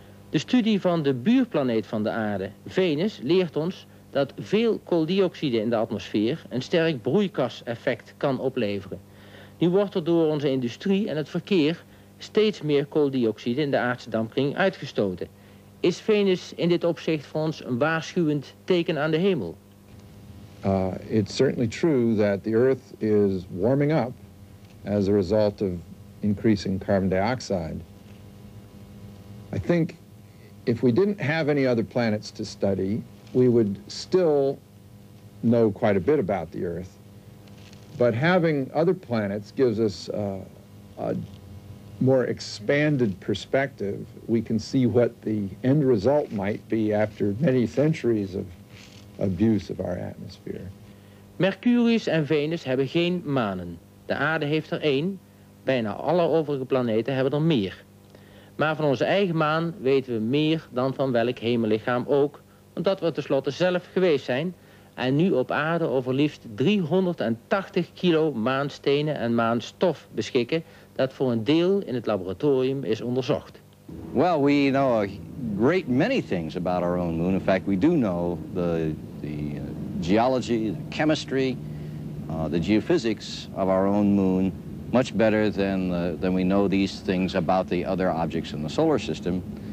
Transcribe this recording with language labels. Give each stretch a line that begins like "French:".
Dutch: De studie van de buurplaneet van de aarde, Venus, leert ons dat veel kooldioxide in de atmosfeer een sterk broeikaseffect kan opleveren. Nu wordt er door onze industrie en het verkeer steeds meer kooldioxide in de aardse dampkring uitgestoten. Is Venus in dit opzicht voor ons een waarschuwend teken aan de hemel?
English: It's certainly true that the Earth is warming up as a result of increasing carbon dioxide. I think if we didn't have any other planets to study, we would still know quite a bit about the Earth. But having other planets gives us a more expanded perspective. We can see what the end result might be after many centuries of abuse of our atmosphere.
Dutch: Mercurius en Venus hebben geen manen. De aarde heeft er één. Bijna alle overige planeten hebben er meer. Maar van onze eigen maan weten we meer dan van welk hemellichaam ook, omdat we tenslotte zelf geweest zijn en nu op aarde over liefst 380 kilo maanstenen en maanstof beschikken dat voor een deel in het laboratorium is onderzocht.
English: Well, we know a great many things about our own moon. In fact, we do know the geology, the chemistry, the geophysics of our own moon much better than we know these things about the other objects in the solar system.